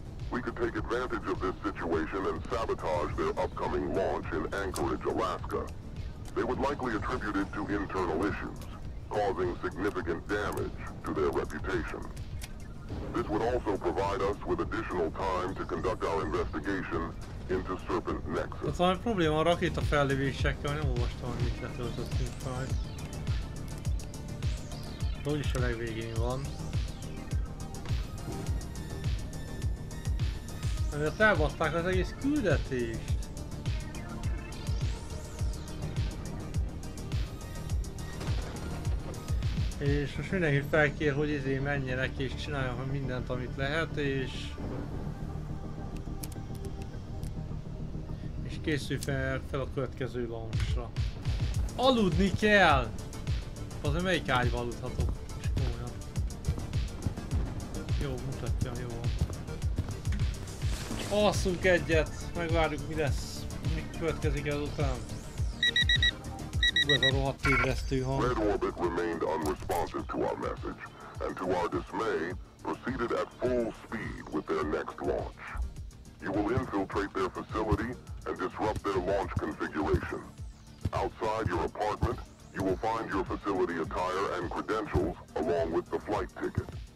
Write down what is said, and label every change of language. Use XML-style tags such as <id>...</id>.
<en>We could take advantage of this situation and sabotage their upcoming launch in Anchorage, Alaska. They would likely attribute it to internal issues, causing significant damage to their reputation. This would also provide us with additional time to conduct our investigation into Serpent Nexus.</en> <hu>Ott van egy probléma a rakéta fellévésekkel, nem olvastam, hogy mit letöltöttünk fel. Úgyis a legvégén van. Ezért elbaszták az egész küldetést. És most mindenki felkér, hogy izé menjenek és csináljon mindent, amit lehet, és... és készülj fel a következő launchra. Aludni kell! Az melyik ágyba aludhatok? És komolyan. Jó, mutatja, jó. Alszunk egyet, megvárjuk, mi lesz, mi következik ezután.</hu> <en>Red Orbit remained unresponsive to our message, and to our dismay, proceeded at full speed with their next launch. You will infiltrate their facility and disrupt their launch configuration. Outside your apartment, you will find your facility attire and credentials along with the flight ticket.</en>